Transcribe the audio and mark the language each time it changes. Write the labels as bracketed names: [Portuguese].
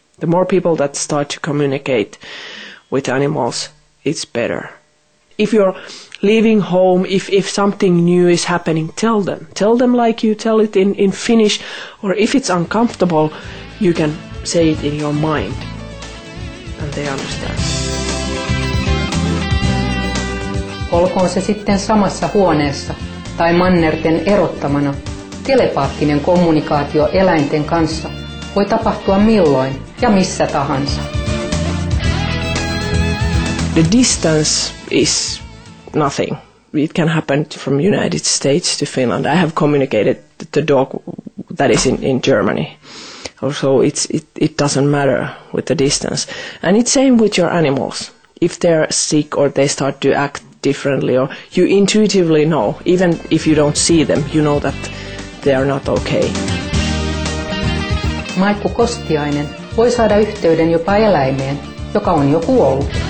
[English] The more people that start to communicate with animals, it's better. If you're leaving home, if something new is happening, tell them. Tell them like you tell it in Finnish, or if it's uncomfortable, you can say it in your mind. And they understand. [Finnish] Olkoon se sitten samassa huoneessa tai mannerten erottamana, telepaattinen kommunikaatio eläinten kanssa voi tapahtua milloin ja missä tahansa. [English] The distance is nothing. It can happen from United States to Finland. I have communicated the dog that is in Germany. Also, it doesn't matter with the distance. And it's same with your animals. If they're sick or they start to act differently, or you intuitively know, even if you don't see them, you know that they are not okay. [Finnish] Maikku Kostiainen voi saada yhteyden jopa eläimeen, joka on jo kuollut.